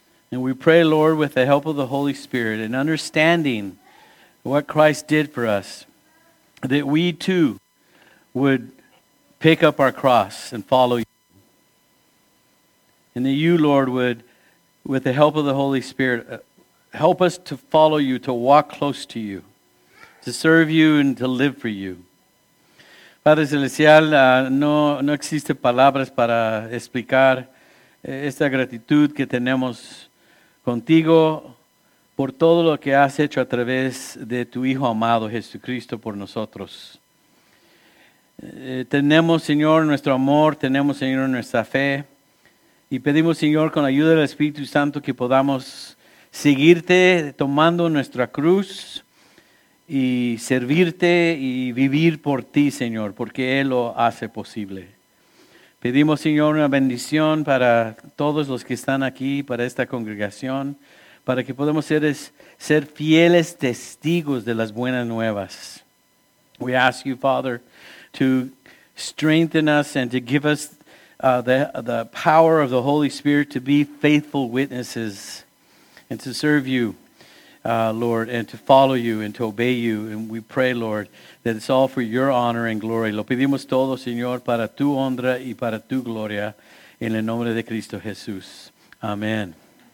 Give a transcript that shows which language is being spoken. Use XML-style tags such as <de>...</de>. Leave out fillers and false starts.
<en>And we pray, Lord, with the help of the Holy Spirit and understanding what Christ did for us, that we too would pick up our cross and follow you. And that you, Lord, would, with the help of the Holy Spirit, help us to follow you, to walk close to you, to serve you and to live for you.</en> <es>Padre Celestial, no existe palabras para explicar esta gratitud que tenemos contigo por todo lo que has hecho a través de tu Hijo amado Jesucristo por nosotros. Tenemos, Señor, nuestro amor, tenemos, Señor, nuestra fe, y pedimos, Señor, con la ayuda del Espíritu Santo que podamos seguirte tomando nuestra cruz y servirte y vivir por ti, Señor, porque Él lo hace posible. Pedimos, Señor, una bendición para todos los que están aquí, para esta congregación, para que podamos ser fieles testigos de las buenas nuevas.</es> <en>We ask you, Father, to strengthen us and to give us the power of the Holy Spirit to be faithful witnesses and to serve you, Lord, and to follow you and to obey you. And we pray, Lord, that it's all for your honor and glory.</en> <es>Lo pedimos todo, Señor, para tu honra y para tu gloria. En el nombre de Cristo Jesús. Amén.</es>